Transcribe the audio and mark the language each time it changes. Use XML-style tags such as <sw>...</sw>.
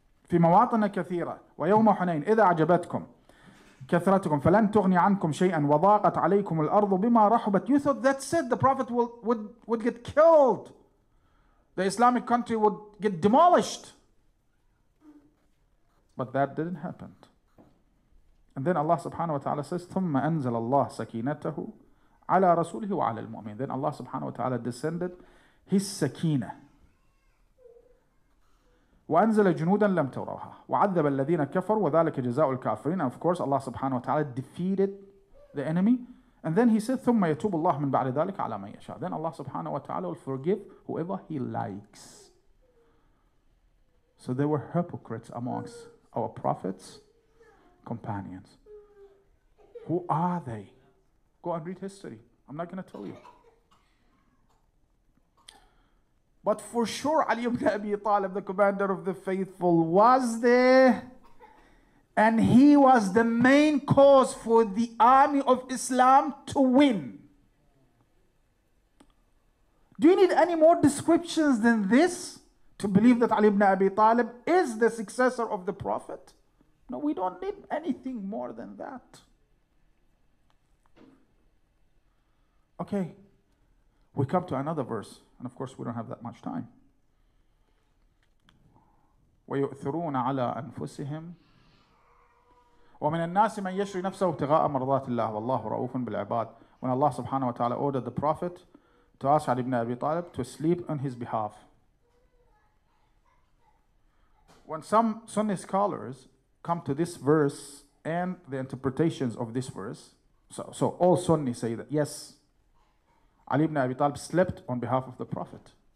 <ar>فِي مَوَاطَنَ كَثِيرًا وَيَوْمَ حُنَيْنِ إِذَا عَجَبَتْكُمْ كَثْرَتُكُمْ فَلَنْ تُغْنِي عَنْكُمْ شَيْئًا وَضَاقَتْ عَلَيْكُمُ الْأَرْضُ بِمَا رَحُبَتْ.</ar> <en>You thought that said the Prophet would get killed. The Islamic country would get demolished. But that didn't happen. And then Allah subhanahu wa ta'ala says,</en> <ar>ثُمَّ أَنزَلَ اللَّهُ سَكِينَتَهُ عَلَى رَسُولِهِ وَعَلَى الْمُؤْمِنِ.</ar> <en>Then Allah subhanahu wa ta'ala descended His sakina.</en> <ar>وَأَنزَلَ جُنُودًا لَمْ تَرَوْهَا وَعَذَّبَ الَّذِينَ كَفَرُوا وَذَلَكَ جَزَاءُ الْكَافِرِينَ.</ar> <en>And of course, Allah subhanahu wa ta'ala defeated the enemy. And then He said,</en> <ar>ثُمَّ يَتُوبُ اللَّهُ مِنْ بَعْدِ ذَلِكَ عَلَى مَنْ يَشَاءُ.</ar> <en>Then Allah subhanahu wa ta'ala will forgive whoever He likes. So there were hypocrites amongst our Prophet's companions. Who are they? Go and read history. I'm not going to tell you. But for sure, Ali ibn Abi Talib, the commander of the faithful, was there. And he was the main cause for the army of Islam to win. Do you need any more descriptions than this to believe that Ali ibn Abi Talib is the successor of the Prophet? No, we don't need anything more than that. Okay. We come to another verse. And of course, we don't have that much time.</en> <ar>وَيُؤْثِرُونَ عَلَىٰ أَنفُسِهِمْ وَمِنَ النَّاسِ مَنْ يَشْرِي نَفْسَهُ ابْتِغَاءَ مَرْضَاتِ اللَّهِ وَاللَّهُ رَؤُوفٌ بِالْعِبَادِ.</ar> <en>When Allah subhanahu wa ta'ala ordered the Prophet to ask Ali ibn Abi Talib to sleep on his behalf. When some Sunni scholars come to this verse and the interpretations of this verse, so all Sunni say that, yes, Ali ibn Abi Talib slept on behalf of the Prophet.</en>